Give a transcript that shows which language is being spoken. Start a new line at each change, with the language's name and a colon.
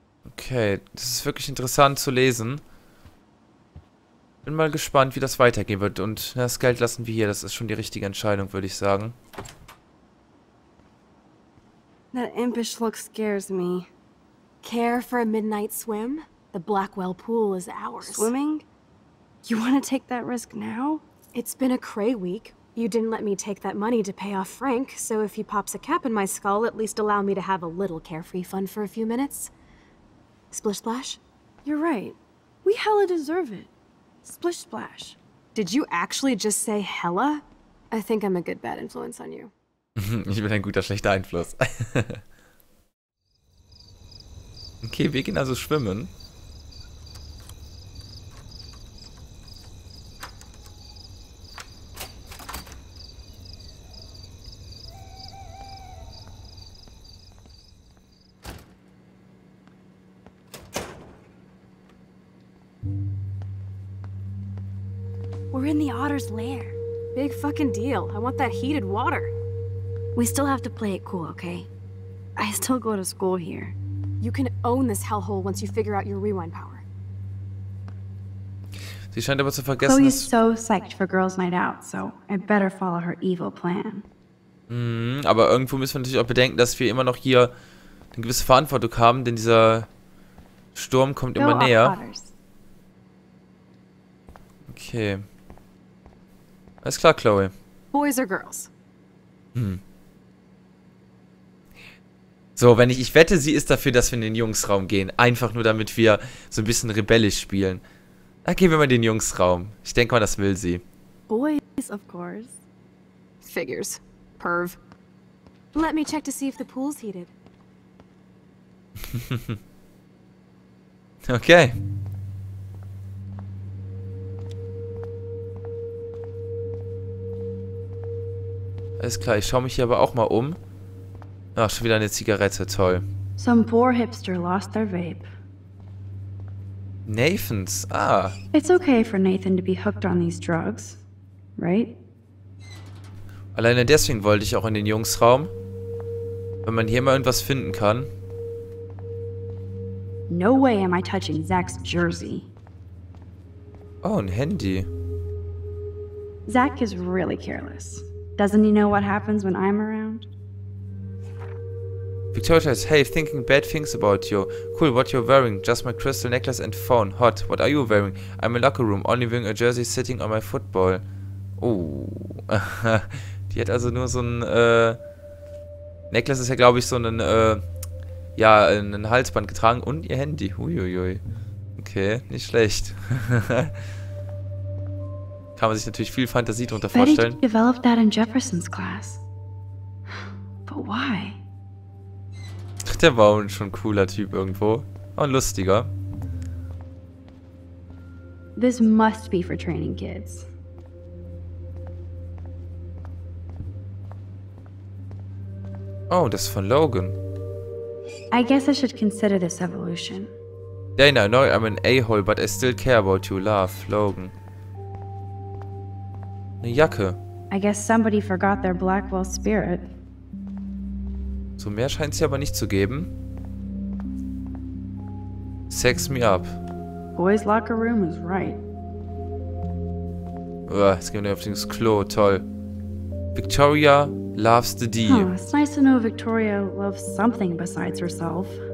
German: Okay, das ist wirklich interessant zu lesen. Bin mal gespannt, wie das weitergehen wird. Und das Geld lassen wir hier. Das ist schon die richtige Entscheidung, würde ich sagen.
English: That impish look scares me. Care for a midnight swim? The Blackwell pool is ours. Swimming? You want to take that risk now? It's been a cray week. You didn't let me take that money to pay off Frank, so if he pops a cap in my skull, at least allow me to have a little carefree fun for a few minutes. Splish splash? You're right. We hella deserve it. Splish splash. Did you actually just say hella? I think I'm a good bad influence on you.
German: Ich bin ein guter, schlechter Einfluss. Okay, wir gehen also schwimmen.
English: We're in the otter's lair. Big fucking deal. I want that heated water. We still have to play it cool, okay? I still go to school here. You can own this hellhole once you figure out your rewind power.
German: Sie scheint aber zu vergessen,
English: Chloe's so psyched for girls' night out, so I better follow her evil plan.
German: Aber irgendwo müssen wir natürlich auch bedenken, dass wir immer noch hier eine gewisse Verantwortung haben, denn dieser Sturm kommt immer näher. Okay. Alles klar, Chloe.
English: Boys or girls?
German: So, wenn ich wette, sie ist dafür, dass wir in den Jungsraum gehen. Einfach nur, damit wir so ein bisschen rebellisch spielen. Da gehen wir mal in den Jungsraum. Ich denke mal, das will sie.
English: Boys, of course. Figures. Perv. Let me check to see if the pool's heated. Okay.
German: Alles klar, ich schaue mich hier aber auch mal um. Ach, schon wieder eine Zigarette, toll.
English: Some poor hipster lost their vape. Nathan's, ah. It's okay for Nathan to be hooked on these drugs, right?
German: Alleine deswegen wollte ich auch in den Jungsraum. Wenn man hier mal irgendwas finden kann.
English: No way am I touching Zach's jersey.
German: Oh, ein Handy.
English: Zach is really careless. Doesn't he know what happens when I'm around? Victoria says, hey, thinking bad things about you. Cool, what you're wearing? Just my crystal necklace and phone. Hot, what are you wearing? I'm in locker room, only wearing a jersey sitting on my football. Oh.
German: Die hat also nur so ein, Necklace ist ja, glaube ich, so ein, ja, ein Halsband getragen und ihr Handy. Huiuiui. Okay, nicht schlecht. Kann man sich natürlich viel Fantasie darunter vorstellen.
English: Betty developed that in Jefferson's class. But why?
German: Der war auch schon ein cooler Typ irgendwo. Und lustiger.
English: This must be for training kids.
German: Oh, das ist von Logan.
English: I guess I should consider this evolution. Dana, no, I'm an a-hole, but I still care about you. Love, Logan.
German: Eine Jacke.
English: I guess somebody forgot their Blackwell spirit.
German: So mehr scheint sie aber nicht zu geben.
English: Sex me up. Boys locker room is right.
German: Jetzt gehen wir auf das Klo, toll. Victoria
English: loves the D. Oh, it's nice to know Victoria loves something besides herself.